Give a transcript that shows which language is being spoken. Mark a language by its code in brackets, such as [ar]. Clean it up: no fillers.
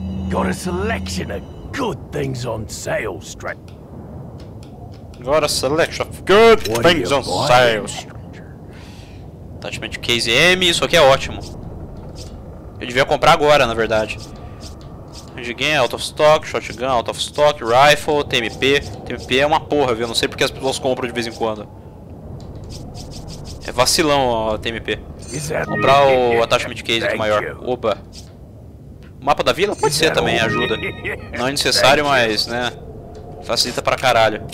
[en] Got a selection of good things on sale, Strat. Got a selection of good things on sale. [pt] Attachment Case M, isso aqui é ótimo. Eu devia comprar agora, na verdade. [en] Handgun, out of stock, shotgun, out of stock, rifle, TMP. [pt] TMP é uma porra, viu? Não sei porque as pessoas compram de vez em quando. É vacilão, ó, TMP. Comprar o Attachment Case aqui maior. Oba. mapa da vila? Pode ser também, ajuda. Não é necessário, mas, né, facilita pra caralho.